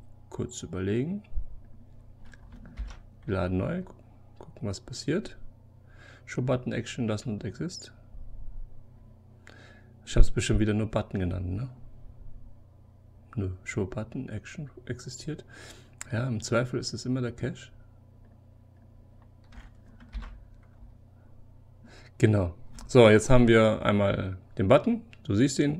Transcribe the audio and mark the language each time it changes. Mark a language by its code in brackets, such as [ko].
[de] Kurz überlegen. Wir laden neu, gucken, was passiert. [en] Show Button Action does not exist. [de] Ich habe es bestimmt wieder nur Button genannt, ne? Nö, Show Button Action existiert. Ja, im Zweifel ist es immer der Cache. Genau. So, jetzt haben wir einmal den Button. Du siehst ihn.